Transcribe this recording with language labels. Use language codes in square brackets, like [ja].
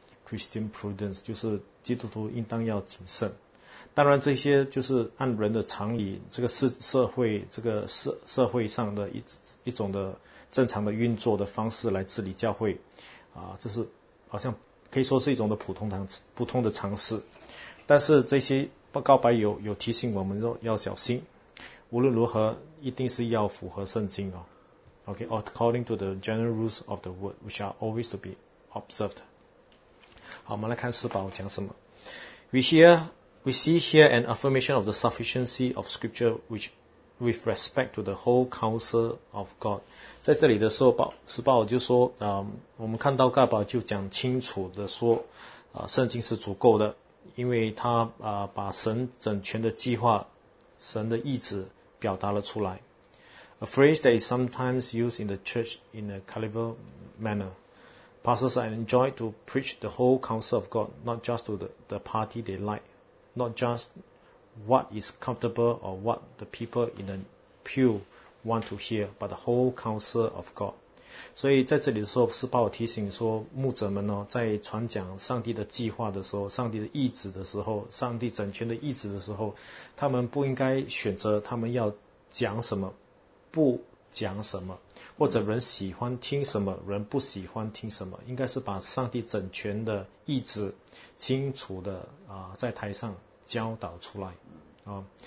[en] Christian prudence [zh] 就是基督徒应当要谨慎，当然这些就是按人的常理，这个社会上的一种的正常的运作的方式来治理教会，这是好像可以说是一种的普通的尝试，但是这些告白有提醒我们要小心，无论如何一定是要符合圣经哦 ，OK， [en] according to the general rules of the word which are always to be observed。 [zh] 好，我们来看四宝讲什么。 [en] We see here an affirmation of the sufficiency of Scripture, which with respect to the whole counsel of God. [zh] 在这里的时候，四宝就说，我们看到告白就讲清楚的说，圣经是足够的，因为他把神整全的计划、神的意志表达了出来。 [en] A phrase that is sometimes used in the church in a clever manner. Pastors are enjoined to preach the whole counsel of God, not just to the party they like, not just what is comfortable or what the people in the pew want to hear, but the whole counsel of God. [zh] 所以在这里的时候，是把我提醒说，牧者们哦，在传讲上帝的计划的时候，上帝的意志的时候，上帝整全的意志的时候，他们不应该选择他们要讲什么，不讲什么。或者人喜欢听什么，人不喜欢听什么，应该是把上帝整全的意志清楚的在台上教导出来啊。